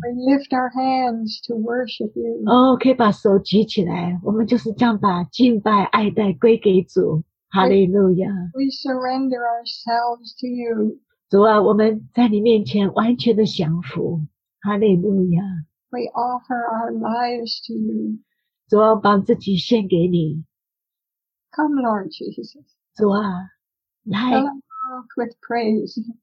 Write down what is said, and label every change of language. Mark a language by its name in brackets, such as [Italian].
[English] We lift our hands to worship you. [Chinese] 哦，可以把手举起来，我们就是这样把敬拜、爱戴归给主。哈利路亚。 [English] We surrender ourselves to you. [Chinese] 主啊，我们在你面前完全的降服。哈利路亚。 [English] We offer our lives to you. [Chinese] 主啊，把自己献给你。 [English] Come, Lord Jesus. [Chinese] 主啊，来。 [English] Fill our mouth with praise.